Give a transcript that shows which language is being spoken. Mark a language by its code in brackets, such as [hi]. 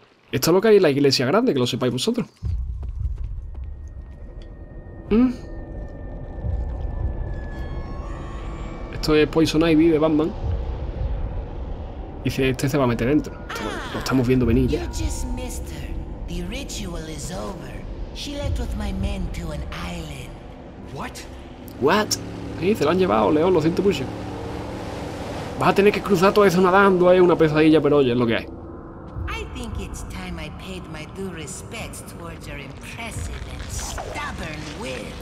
[es] Esto es lo que hay en la iglesia grande, que lo sepáis vosotros. Esto es Poison Ivy de Batman. Dice, este se va a meter dentro. Lo estamos viendo venir ya. [en] The ritual is over. She left with my men to an island. What? What? [es] Sí, se lo han llevado, León, lo siento mucho. Vas a tener que cruzar toda eso nadando, es una pesadilla, pero oye, es lo que hay. [en] I think it's time I paid my due respects towards your impressive and stubborn will.